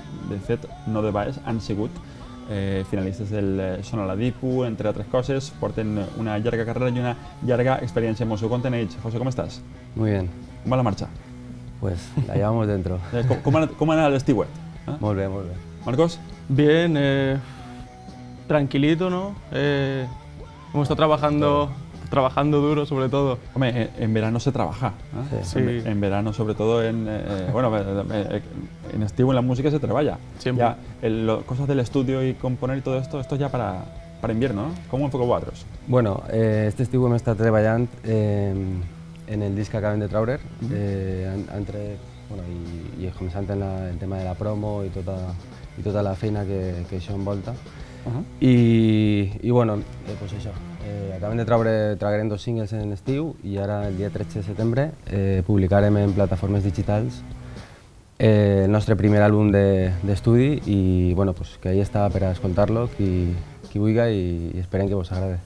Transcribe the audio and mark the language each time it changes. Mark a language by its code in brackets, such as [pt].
[ca] De fet, no de baix, han sigut finalistes del Sona la Dipu, entre altres coses, porten una llarga carrera i una llarga experiència amb el seu contenit. José, com estàs? [es] Muy bien. [ca] Com va la marxa? [es] Pues la llevamos dentro. ¿Cómo anda el Stewart? Muy bien, muy bien. ¿Marcos? Bien, tranquilito, ¿no? Hemos estado trabajando duro, sobre todo. Hombre, en verano se trabaja, ¿eh? Sí. En verano, sobre todo en... bueno, en estivo, en la música se trabaja. Siempre. Ya, cosas del estudio y componer y todo esto, esto ya para invierno, ¿no? ¿Cómo enfoca vosotros? [ca] Bueno, [es] este estivo me está trabajando [ca] en el disc que acaben de traure, entre, bueno, i començant en el tema de la promo i tota la feina que això envolta. I, bueno, doncs això, acaben de traure, tragarem dos singles en estiu i ara, el dia 13 de setembre, publicarem en plataformes digitals el nostre primer àlbum d'estudi i, bueno, doncs que ahí està per a escoltar-lo, qui vulga i esperem que vos agrade.